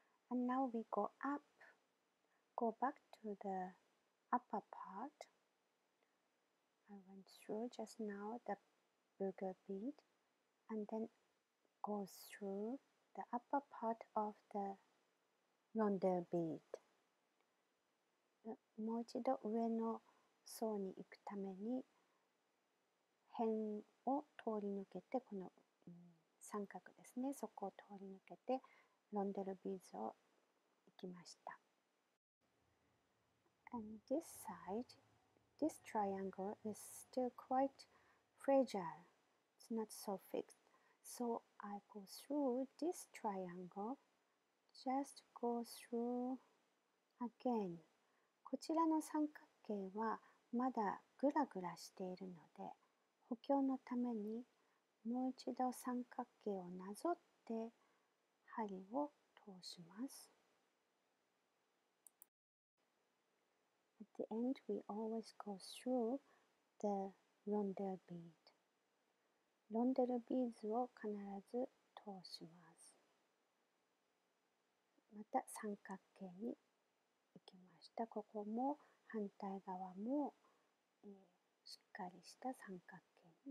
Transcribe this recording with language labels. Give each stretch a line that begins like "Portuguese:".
English: And now we go up, go back to the upper part. I went through just now the bugle bead, and then go through the upper part of the rondelle bead.
Japanese: もう一度上の層に行くために、辺を通り抜けて、この三角ですね、そこを通り抜けて、ロンデルビーズを行きました。
English: And this side, this triangle is still quite fragile. It's not so fixed. So I go through this triangle, just go through again.
Japanese: こちらの三角形はまだグラグラしているので、補強のためにもう一度三角形をなぞって針を通します。
English: At the end, we always go through the rondelle bead.
Japanese: ロンデルビーズを必ず通します。また三角形に行きました。ここも反対側も、しっかりした三角形。